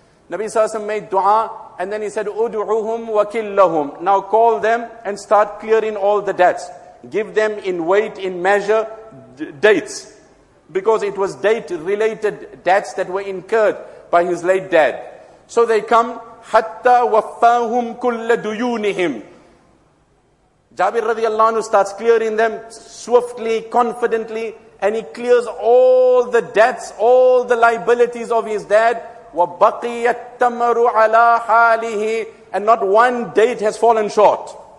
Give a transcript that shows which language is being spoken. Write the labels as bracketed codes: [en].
[en] Nabi Sallallahu Alaihi Wasallam made dua and then he said, [ar] Udu'uhum wa killahum. [en] Now call them and start clearing all the debts. Give them in weight, in measure, dates. because it was date-related debts that were incurred by his late dad. So they come, [ar] حَتَّى وَفَّاهُمْ كُلَّ دُيُونِهِمْ. [en] Jabir radiallahu anhu starts clearing them swiftly, confidently, and he clears all the debts, all the liabilities of his dad. [ar] وَبَقِيَتْ تَمَرُ عَلَىٰ حَالِهِ. [en] And not one date has fallen short.